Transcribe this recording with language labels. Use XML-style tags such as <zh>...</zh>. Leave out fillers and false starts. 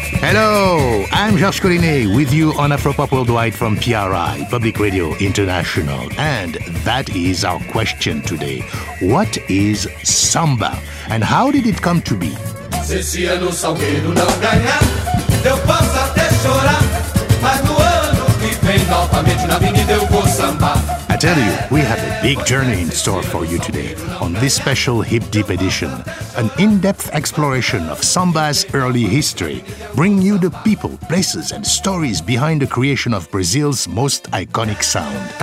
<en>Hello, I'm Georges Collinet with you on Afropop Worldwide from PRI, Public Radio International. And that is our question today. What is samba and how did it come to be?</en> <pt>Se esse ano o Salgueiro não ganhar, eu posso até chorar. Mas no ano que vem, novamente na avenida eu vou samba.</pt> <en>I tell you, we have a big journey in store for you today on this special Hip Deep edition, an in-depth exploration of samba's early history, bringing you the people, places, and stories behind the creation of Brazil's most iconic sound.</en>